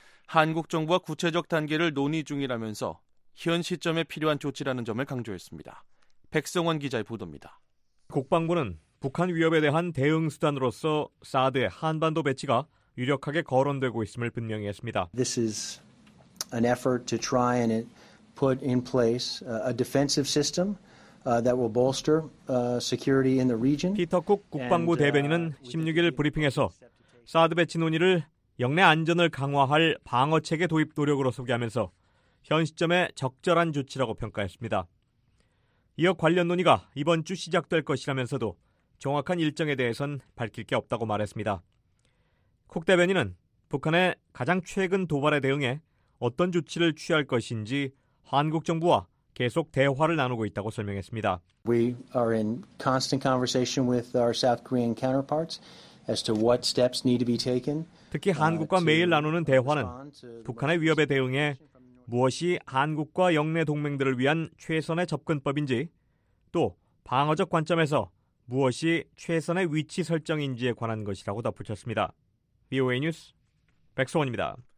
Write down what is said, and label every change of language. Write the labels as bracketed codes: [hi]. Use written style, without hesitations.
[ko] 한국 정부와 구체적 단계를 논의 중이라면서 현 시점에 필요한 조치라는 점을 강조했습니다. 백성원 기자의 보도입니다. 국방부는 북한 위협에 대한 대응 수단으로서 사드의 한반도 배치가 유력하게 거론되고 있음을 분명히 했습니다. [en] This is an effort to try and put in place a defensive system that will bolster security in the region. [ko] 피터 쿡 국방부 대변인은 16일 브리핑에서 사드 배치 논의를 영내 안전을 강화할 방어 체계 도입 노력으로 소개하면서 현 시점에 적절한 조치라고 평가했습니다. 이어 관련 논의가 이번 주 시작될 것이라면서도 정확한 일정에 대해선 밝힐 게 없다고 말했습니다. 쿡 대변인은 북한의 가장 최근 도발에 대응해 어떤 조치를 취할 것인지 한국 정부와 계속 대화를 나누고 있다고 설명했습니다. [en] We are in constant conversation with our South Korean counterparts as to what steps need to be taken. [ko] 특히 한국과 매일 나누는 대화는 북한의 위협에 대응해 무엇이 한국과 영내 동맹들을 위한 최선의 접근법인지 또 방어적 관점에서 무엇이 최선의 위치 설정인지에 관한 것이라고 덧붙였습니다. VOA 뉴스 백성원입니다.